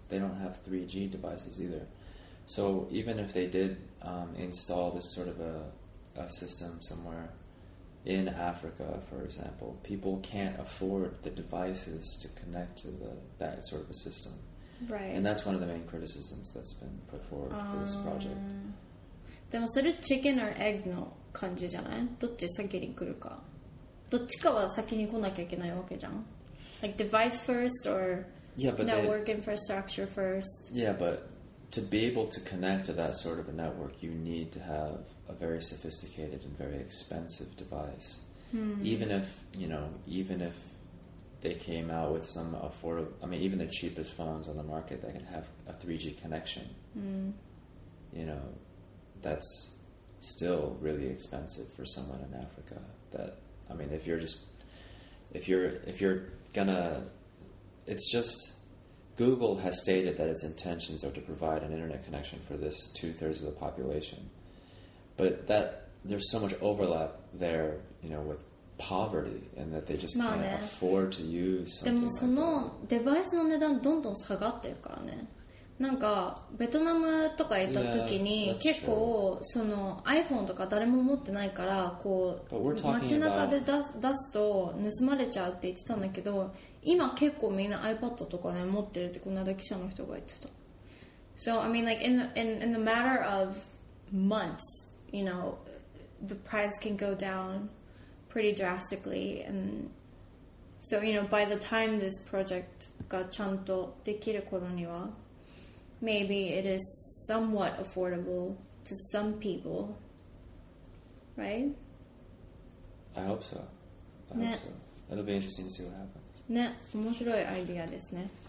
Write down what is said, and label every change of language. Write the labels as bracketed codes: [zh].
[en] They don't have 3G devices either. So even if they did、install this sort of a system somewhere in Africa, for example, people can't afford the devices to connect to that sort of a system. Right. And that's one of the main criticisms that's been put forward for this project. [ja] でもそれチキンやエッグの感じじゃない？どっち先に来るか。どっちかは先に来なきゃいけないわけじゃん。 [en] Like device first or network infrastructure first. Yeah, but to be able to connect to that sort of a network, you need to have a very sophisticated and very expensive device. Even if, you know, even if they came out with some affordable, I mean, even the cheapest phones on the market that can have a 3G connection, you know, that's still really expensive for someone in Africa. That, I mean, if you're gonna, it's just, Google has stated that its intentions are to provide an internet connection for this 2/3 of the population. But that there's so much overlap there, you know, with poverty, and that they just can't afford to use something like that. [ja] でもそのデバイスの値段どんどん下がってるからね。なんかベトナムとか行った時に結構その iPhone とか誰も持ってないからこう街中で出すと盗まれちゃうって言ってたんだけど、今結構みんな iPad とかね持ってるってこの間記者の人が言ってた。 [en] So I mean like in the matter of months, you know, the price can go down pretty drastically. And so, you know, by the time this project [ja] がちゃんとできる頃には [en] Maybe it is somewhat affordable to some people, right? I hope so. I hope so. It'll be interesting to see what happens. [ja] ね、面白いアイデアですね。